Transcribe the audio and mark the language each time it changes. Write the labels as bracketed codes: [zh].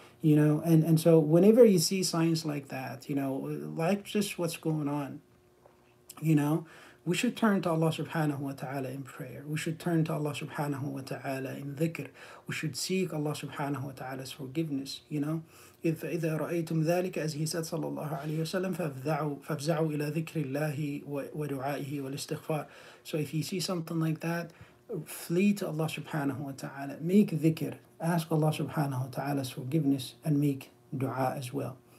[en] You know, and so whenever you see signs like that, you know, like just what's going on, you know, we should turn to Allah subhanahu wa ta'ala in prayer. We should turn to Allah subhanahu wa ta'ala in dhikr. We should seek Allah subhanahu wa ta'ala's forgiveness, you know. [ar] إِذَا رَأَيْتُمْ ذَلِكَ [en] as he said, [ar] sallallahu alayhi wa sallam, فَفْزَعُوا إِلَى ذِكْرِ اللَّهِ وَدُعَائِهِ وَالْإِسْتِغْفَارِ. [en] So if you see something like that, flee to Allah subhanahu wa ta'ala. Make dhikr. Ask Allah subhanahu wa ta'ala's forgiveness and make dua as well.